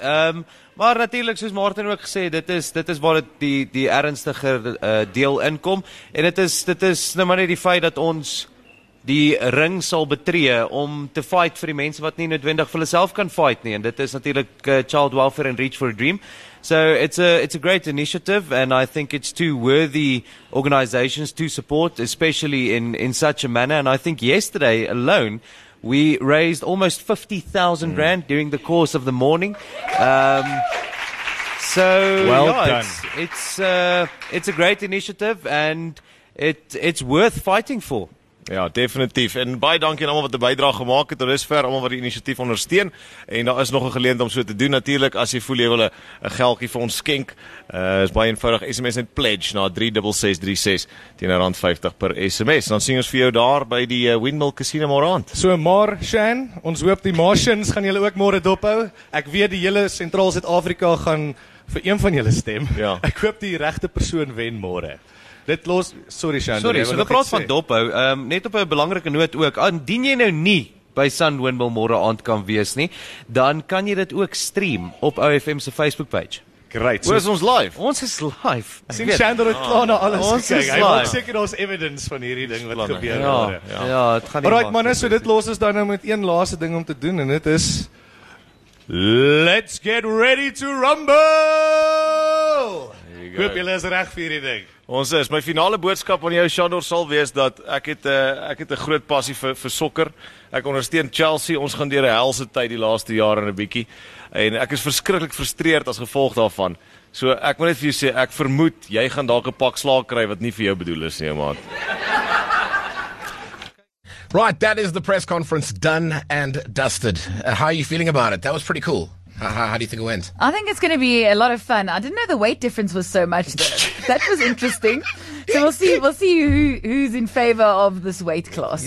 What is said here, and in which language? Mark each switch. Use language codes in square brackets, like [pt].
[af] Maar natuurlik, soos Martin ook gesê, dit is waar dit die ernstiger deel inkom. En dit is nou maar net die feit dat ons die ring sal betree om te fight vir die mense wat nie noodwendig vir hulself kan fight nie. En dit is natuurlik Child Welfare and Reach for a Dream. [en] So it's a great initiative and I think it's two worthy organizations to support, especially in such a manner. And I think yesterday alone we raised almost 50,000 rand during the course of the morning. Well done. It's a great initiative and it's worth fighting for. [af] Ja, definitief. En baie dankie aan almal wat 'n bydrae gemaak het. Ons is ver almal wat die inisiatief ondersteun en daar is nog 'n geleentheid om so te doen. Natuurlik, as jy voel jy wil 'n geldjie vir ons skenk, is baie eenvoudig. SMS net pledge na 36636 teen R50 per SMS. Dan sien ons vir jou daar by die Windmill Casino môre aand. So maar Shan, ons hoop die Martians gaan julle ook môre dophou. Ek weet die hele sentraal Suid-Afrika gaan vir een van julle stem. Ja. Ek hoop die regte persoon wen môre. Dit los, sorry Shandor. Sorry, so die praat van dophou, net op 'n belangrike noot ook, indien jy nou nie by Sunwindmill môre aand kan wees nie, dan kan jy dit ook stream op OFM se Facebook page. [en] Great. [af] Where's ons live? Ons is live. Sien Chandler het klaar na alles ons gekyk. Hy maak seker daar's evidence van hierdie ding wat gebeur het. Ja, ja, dit gaan nie. Alright manne, so dit los ons dan nou met een laaste ding om te doen en dit is [en] Let's get ready to rumble. [af] Hoop julle is reg vir hierdie ding. Ons is my finale boodskap aan jou Chandler sal wees dat ek het 'n groot passie vir sokker. Ek ondersteun Chelsea. Ons gaan deur 'n helse tyd die laaste jaar en 'n bietjie. En ek is verskriklik frustreerd as gevolg daarvan. So ek wil net vir jou sê, ek vermoed jy gaan dalk 'n pak slaag kry wat nie vir jou bedoel is nie, maat. [en] Right, that is the press conference done and dusted. How are you feeling about it? That was pretty cool. How do you think it went? I think it's going to be a lot of fun. I didn't know the weight difference was so much. That was interesting. So we'll see who's in favor of this weight class.